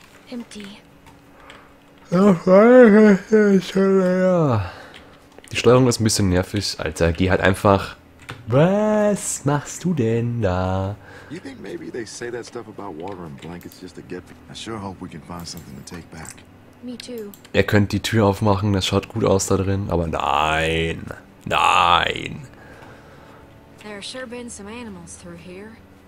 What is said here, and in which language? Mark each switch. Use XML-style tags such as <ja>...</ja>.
<en>Empty.</en> <de>Ja. Die Steuerung ist ein bisschen nervig, Alter. Geh halt einfach. Was machst du denn da?</de> <en>You think maybe they say that stuff about water and blankets just to get? I sure hope we can find something to take back. Me too.</en> <de>Er könnte die Tür aufmachen, das schaut gut aus da drin, aber nein. Nein.</de> <en>There have sure been some animals through here.</en>